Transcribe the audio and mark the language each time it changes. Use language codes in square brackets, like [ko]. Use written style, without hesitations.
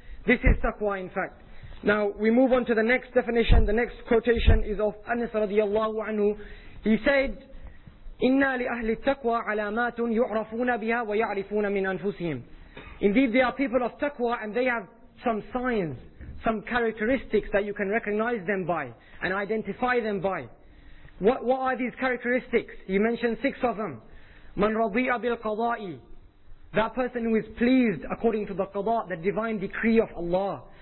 [en] This is taqwa in fact. Now we move on to the next definition. The next quotation is of Anas radiallahu anhu. He said, [ar] إِنَّا لِأَهْلِ التَّقْوَى عَلَامَاتٌ يُعْرَفُونَ بِهَا وَيَعْرِفُونَ مِنْ أَنفُسِهِمْ. [en] Indeed, they are people of taqwa and they have some signs, some characteristics that you can recognize them by and identify them by. What are these characteristics? He mentioned six of them. [ar] مَنْ رَضِيَ بِالْقَضَاءِ. [en] That person who is pleased according to the qada, the divine decree of Allah.